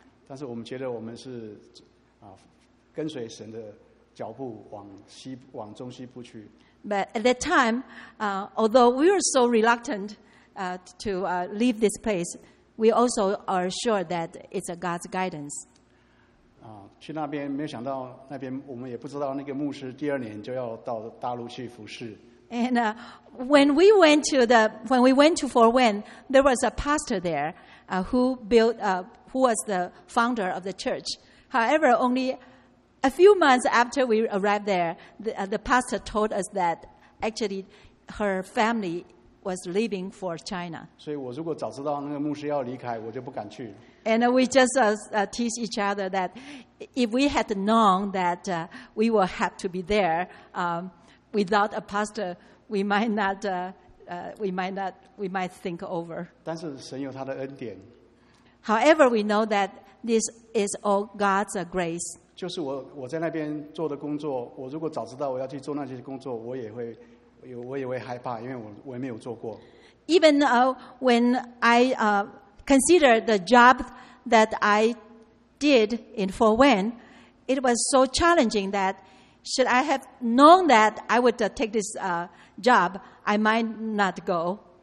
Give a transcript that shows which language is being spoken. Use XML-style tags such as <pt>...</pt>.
<zh>但是我们觉得我们是跟随神的脚步往中西部去。</zh> <en>But at that time, although we were so reluctant to leave this place, we also are sure that it's God's guidance.</en> <zh>去那边没有想到那边我们也不知道那个牧师第二年就要到大陆去服事。</zh> <en>And when we went to Four Wen, there was a pastor there who was the founder of the church. However, only a few months after we arrived there, the pastor told us that actually her family was leaving for China.</en> <zh>所以我如果早知道那个牧师要离开，我就不敢去。</zh> <en>And we just teach each other that if we had known that we would have to be there without a pastor, we might think over.</en> <zh>但是神有他的恩典。</zh> <en>However, we know that this is all God's grace.</en> <zh>就是我在那边做的工作，我如果早知道我要去做那些工作，我也会害怕，因为我也没有做过。</zh> <en>Even when I consider the job that I did in Four Wen, it was so challenging that should I have known that I would take this job, I might not go.</en>